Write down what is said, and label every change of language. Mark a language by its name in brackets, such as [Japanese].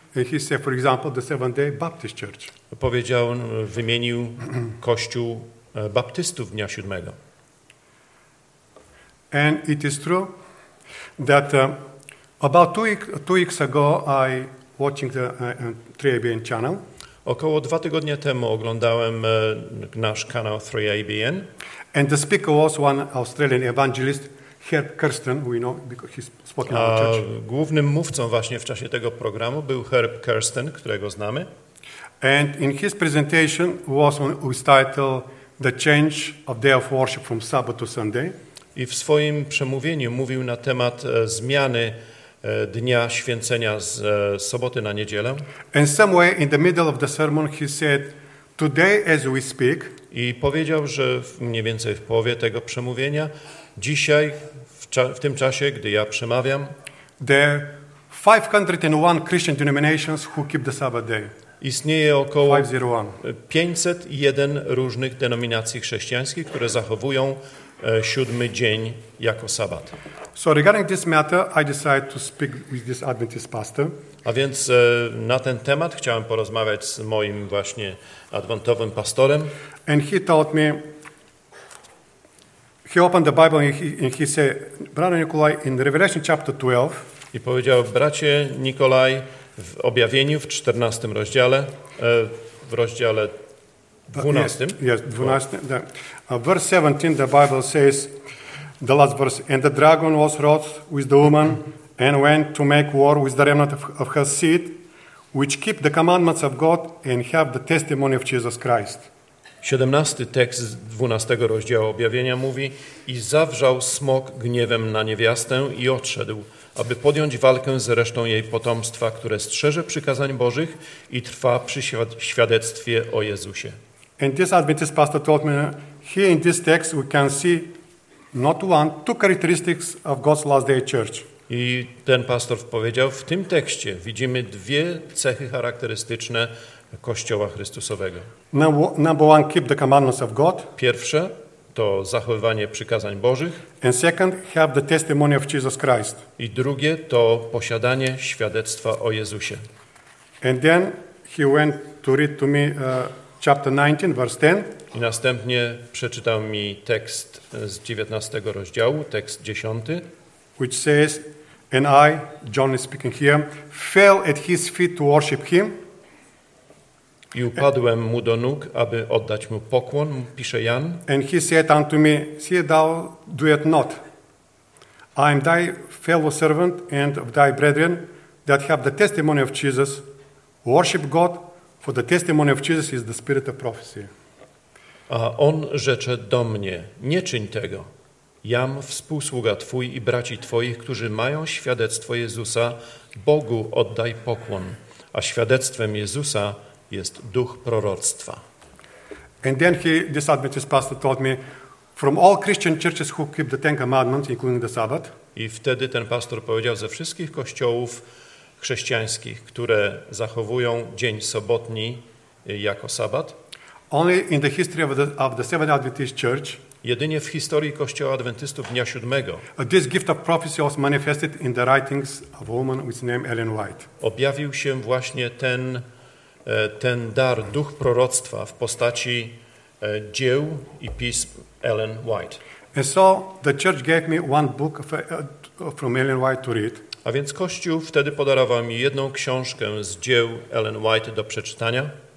[English] He said, for example, the Seventh-day Baptist Church. [Polish] Powiedział, wymienił kościół baptystów dnia siódmego. [English] And it is true that about two weeks ago I watching the 3ABN channel. [Polish] Około 2 tygodnie temu oglądałem nasz kanał 3ABN. [English] And the speaker was one Australian evangelist, Herb Kirsten, we know because he's spoken in the church. [Polish] Głównym mówcą właśnie w czasie tego programu był Herb Kirsten, którego znamy. [English] And in his presentation was titled The Change of Day of Worship from Sabbath to Sunday. [Polish] I w swoim przemówieniu mówił na temat zmiany dnia święcenia z soboty na niedzielę. [English] And somewhere in the middle of the sermon he said, today as we speak. [Polish] I powiedział, że mniej więcej w połowie tego przemówienia, dzisiaj, w tym czasie, gdy ja przemawiam, [English] there 501 Christian denominations who keep the Sabbath day. [Polish] Istnieje około 501 różnych denominacji chrześcijańskich, które zachowują siódmy dzień jako sabat. [English] So regarding this matter, I decided to speak with this Adventist pastor. [Polish] A więc na ten temat chciałem porozmawiać z moim właśnie adwentowym pastorem. [English] And he taught me, he opened the Bible and he said, Brother Nikolai, in Revelation chapter 12. [Polish] I powiedział, bracie Nikolaj, w objawieniu w 14 rozdziale, w rozdziale 12. [English] Yes, 12. Verse 17, the Bible says, the last verse, and the dragon was wroth with the woman and went to make war with the remnant of her seed, which keep the commandments of God and have the testimony of Jesus Christ. [Polish] 17 tekst 12 rozdziału objawienia mówi, i zawrzał smok gniewem na niewiastę i odszedł, aby podjąć walkę z resztą jej potomstwa, które strzeże przykazań Bożych i trwa przy świadectwie o Jezusie. [English] And this Adventist pastor told me, here in this text we can see not one, two characteristics of God's last day church. [Polish] I ten pastor powiedział, w tym tekście widzimy dwie cechy charakterystyczne Kościoła Chrystusowego. [English] Number one, keep the commandments of God. [Polish] Pierwsze to zachowywanie przykazań Bożych. [English] And second, have the testimony of Jesus Christ. [Polish] I drugie to posiadanie świadectwa o Jezusie. [English] And then he went to read to me chapter 19, verse 10. [Polish] I następnie przeczytał mi tekst z 19 rozdziału, tekst 10. [English] Which says, and I, John is speaking here, fell at his feet to worship him. [Polish] I upadłem mu do nóg, aby oddać mu pokłon, pisze Jan. [English] And he said unto me, see thou do it not. I am thy fellow servant and of thy brethren that have the testimony of Jesus. Worship God, For the testimony of Jesus is the spirit of prophecy. [Polish] A on rzecze do mnie, nie czyń tego. Jam współsługa Twój i braci Twoich, którzy mają świadectwo Jezusa, Bogu oddaj pokłon. A świadectwem Jezusa jest duch proroctwa. [English] And then this Adventist pastor told me, from all Christian churches who keep the Ten Commandments, including the Sabbath. [Polish] I wtedy ten pastor powiedział, ze wszystkich kościołów chrześcijańskich, które zachowują dzień sobotni jako sabat. [English] Only in the history of the Seventh Adventist Church. [Polish] Jedynie w historii Kościoła Adwentystów Dnia Siódmego. [English] This gift of prophecy was manifested in the writings of a woman with name Ellen White. [Polish] Objawił się właśnie ten dar, duch proroctwa w postaci dzieł i pism Ellen White. [English] And so the church gave me one book from Ellen White to read. [Polish] A więc Kościół wtedy podarował mi jedną książkę z dzieł Ellen White do przeczytania.